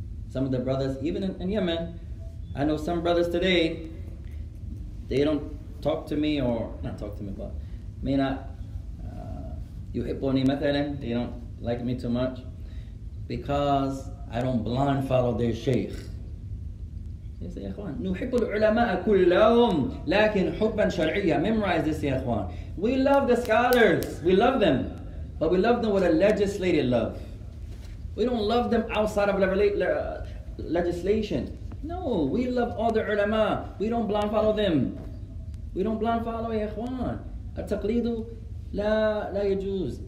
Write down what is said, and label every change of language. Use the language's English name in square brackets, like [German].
[English] Some of the brothers, even in Yemen, I know some brothers today, they don't talk to me or, not talk to me, but may not, [Arabic] يحبوني مثلا, [English] they don't like me too much because I don't blind follow their sheikh. You say, [Arabic] ikhwan, نُحِبُّ الْعُلَمَاءَ كُلَّهُمْ لَكِنْ حُبًّا شَرْعِيًّا. [English] Memorize this, ya ikhwan. We love the scholars. We love them. But we love them with a legislated love. We don't love them outside of legislation. No, we love all the ulama. We don't blind follow them. We don't blind follow, ya ikhwan. [Arabic] التَقْلِيدُ لَا يَجُوز.